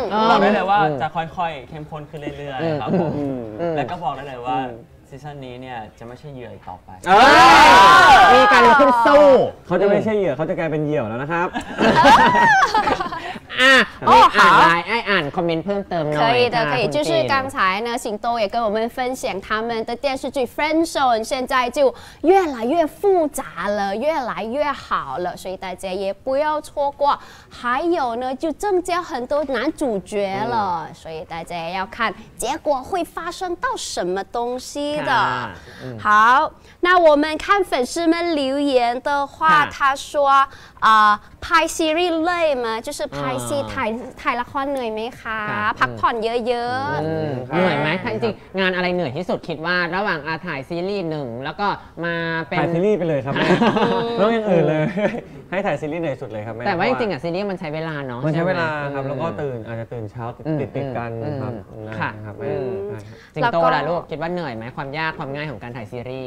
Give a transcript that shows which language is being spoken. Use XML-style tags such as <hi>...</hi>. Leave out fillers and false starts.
<th>บอกได้เลยว่าจะค่อยๆเข้มข้นขึ้นเรื่อยๆครับผมแล้วก็บอกได้เลยว่า ซีซั่นนี้เนี่ยจะไม่ใช่เหยื่ออีกต่อไ ปมีการลุกขึ้นสู้ เขาจะไม่ใช่เหยื่อเขาจะกลายเป็นเหยี่ยวแล้วนะครับ ไอ้อ่านคอมเมนต์เพิ่มเติมหน่อย ค่ะคือ</th> <zh>就是剛才呢星都也跟我們分享他們的電視劇 Friend Zone 現在就越來越複雜了越來越好了所以大家也不要錯過還有呢就增加很多男主角了所以大家要看結果會發生到什麼東西的好那我們看粉絲們留言的話他說拍</zh> <th>ซีรีส์เลยมั้ยจะสไปซี่ถ่ายละครเหนื่อยมั้ยคะพักผ่อนเยอะๆ เหนื่อยมั้ยจริงๆงานอะไรเหนื่อยที่สุดคิดว่าระหว่างถ่ายซีรีส์1แล้วก็มาเป็น ถ่ายซีรีส์ไปเลยครับแม่ต้องอย่างอื่นเลยให้ถ่ายซีรีส์เหนื่อยสุดเลยครับแม่แต่ว่าจริงๆอ่ะซีรีส์มันใช้เวลาเน า ะ มันใช้เวลาครับแล้วก็ตื่นอาจจะตื่นเช้าติดๆกันครับ ค่ะแม่จริงๆโตละลูกคิดว่าเหนื่อยมั้ยความยากความง่ายของการถ่ายซีรีส</th>